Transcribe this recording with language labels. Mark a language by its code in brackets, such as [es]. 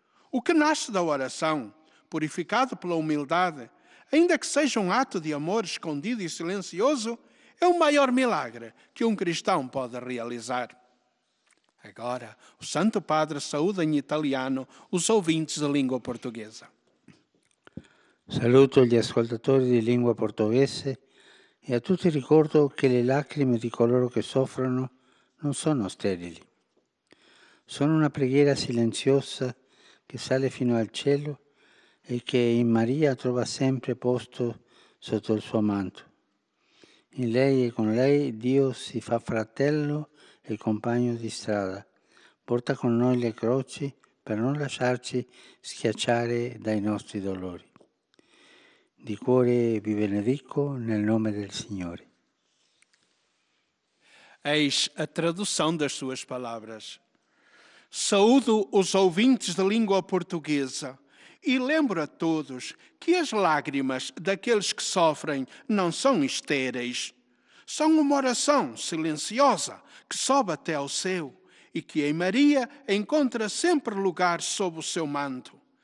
[pt] O que nasce da oração, purificado pela humildade, ainda que seja um ato de amor escondido e silencioso, é o maior milagre que um cristão pode realizar. Agora, o Santo Padre saúda em italiano os ouvintes de língua portuguesa. [it] Saluto gli ascoltatori di lingua portoghese e a tutti ricordo che le lacrime di coloro che soffrono non sono sterili. Sono una preghiera silenziosa che sale fino al cielo e che in Maria trova sempre posto sotto il suo manto. In lei e con lei Dio si fa fratello e compagno di strada, porta con noi le croci per non lasciarci schiacciare dai nostri dolori. Di cuore vi benedico nel nome del Signore. [pt] Eis a tradução das suas palavras. Saúdo os ouvintes de língua portuguesa e lembro a todos que as lágrimas daqueles que sofrem não são estéreis. São uma oração silenciosa que sobe até ao céu e que em Maria encontra sempre lugar sob o seu manto.